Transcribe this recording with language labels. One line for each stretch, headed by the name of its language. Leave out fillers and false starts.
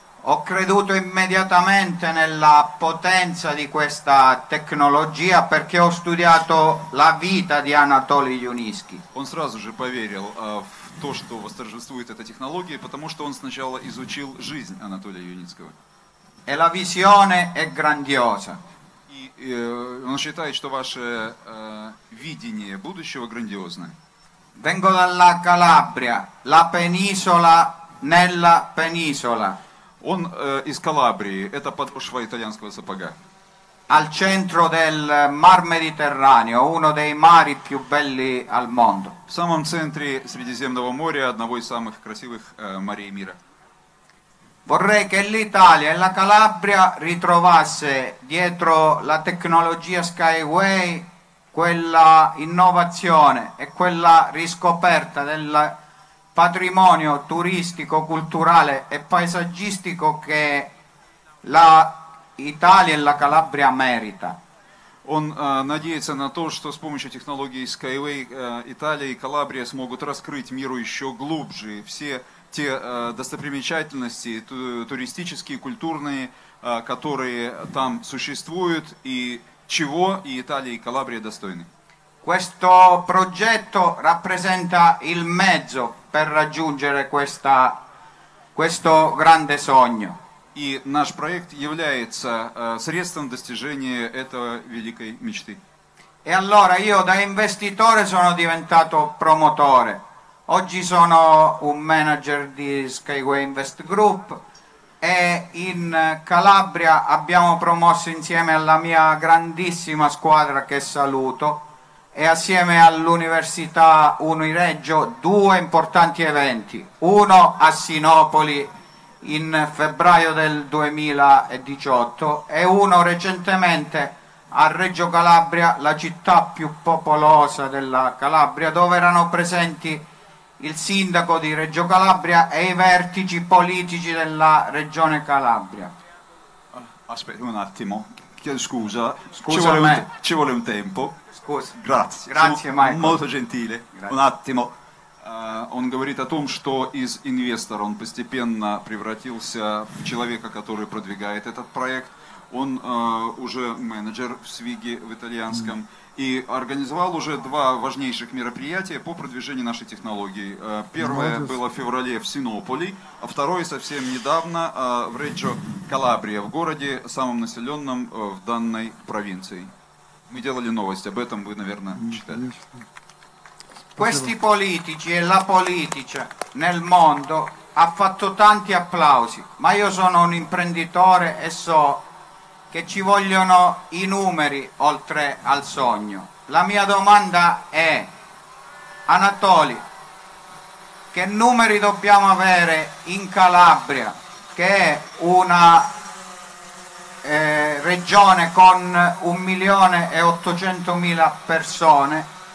Italian: Ho creduto immediatamente nella potenza di questa tecnologia perché ho studiato la vita di Anatoly Yunitskiy.
Russian: Он сразу же поверил в то, что восторжествует эта технология, потому что он сначала изучил жизнь Анатолия Юницкого.
Italian: E la visione è grandiosa.
Russian: И он считает, что ваше видение будущего грандиозное.
Italian: Vengo dalla Calabria, la penisola nella penisola.
Russian: Он из Калабрии, это подошва итальянского сапога.
Italian: Al centro del Mar Mediterraneo, uno dei mari più belli al mondo.
Russian: В самом центре Средиземного моря, одного из самых красивых морей мира.
Italian: Vorrei che l'Italia e la Calabria ritrovasse dietro la tecnologia Skyway quella innovazione e quella riscoperta del patrimonio turistico, culturale e paesaggistico che la Italia e la Calabria merita.
Russian: Он надеется на то, что с помощью технологии Skyway Италия и Калабрия смогут раскрыть миру еще глубже все те достопримечательности туристические, культурные, которые там существуют и чего и Италия и Калабрия достойны.
Italian: Questo progetto rappresenta il mezzo per raggiungere questo grande sogno.
Russian: И наш проект является средством достижения этого великой мечты.
Italian: E allora io da investitore sono diventato promotore. Oggi sono un manager di Skyway Invest Group e in Calabria abbiamo promosso insieme alla mia grandissima squadra che saluto e assieme all'Università Unireggio due importanti eventi. Uno a Sinopoli in febbraio del 2018 e uno recentemente a Reggio Calabria, la città più popolosa della Calabria, dove erano presenti il sindaco di Reggio Calabria e i vertici politici della regione Calabria. Aspetta un attimo, scusa ci vuole un tempo. Scusa. Grazie Michael. Molto gentile. Grazie. Un attimo.
Russian: Он говорит о том, что из инвестора он постепенно превратился в человека, который продвигает этот проект. Он уже менеджер в Свиге в итальянском и организовал уже два важнейших мероприятия по продвижению нашей технологии. Первое было в феврале в Синополе, а второе совсем недавно в Реджо Калабрия, в городе самом населенном в данной провинции. Мы делали новость об этом, вы, наверное, читали.
Italian: Questi politici e la politica nel mondo ha fatto tanti applausi, ma io sono un imprenditore e so che ci vogliono i numeri oltre al sogno. La mia domanda è, Anatoly, che numeri dobbiamo avere in Calabria, che è una regione con 1.800.000 persone,